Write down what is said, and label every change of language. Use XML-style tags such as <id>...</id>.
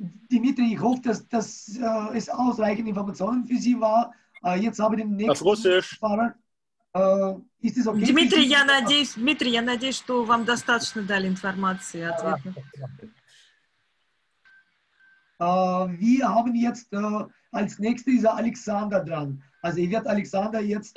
<de>Dimitri, ich hoffe, dass es ausreichend Informationen für Sie war. Jetzt haben wir den nächsten Fahrer. Ist es okay?</de> <ru>Dimitri, я надеюсь, Дмитрий, я надеюсь, что вам достаточно дали информации.</ru> <de>Wir haben jetzt als nächstes ist Alexander dran. Also ich werde Alexander jetzt.</de>